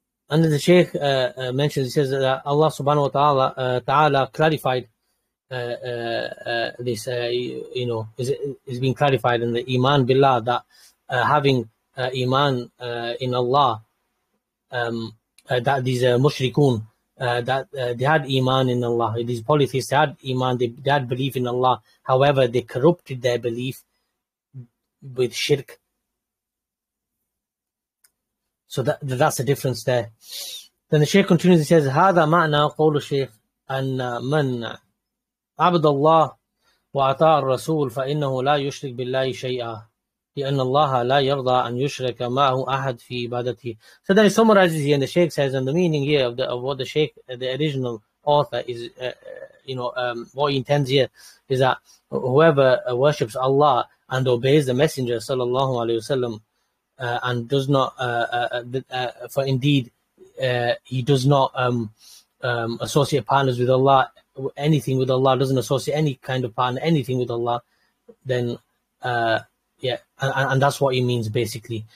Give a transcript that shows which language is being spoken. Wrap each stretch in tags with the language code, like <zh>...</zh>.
<en>And then the Shaykh mentions, he says that Allah subhanahu wa ta'ala, clarified this, you know, is being clarified in the Iman Billah, that having Iman in Allah, that these mushrikun, that they had Iman in Allah, these polytheists, they had Iman, they had belief in Allah. However, they corrupted their belief with shirk. So that's the difference there. Then the Shaykh continues, he says,</en> <ar>هذا معنى قول الشيخ أن من عبد الله وأطاع الرسول فإنه لا يشرك بالله شيئا لأن الله لا يرضى أن يشرك معه أحد في عبادته.</ar> <en>So then he summarizes here, and the Shaykh says, and the meaning here of what the Shaykh, the original author, is, you know, what he intends here is that whoever worships Allah and obeys the Messenger, sallallahu alayhi wasallam, and does not, for indeed, he does not associate partners with Allah, anything with Allah, doesn't associate any kind of partner, anything with Allah, then, and that's what he means basically.</en>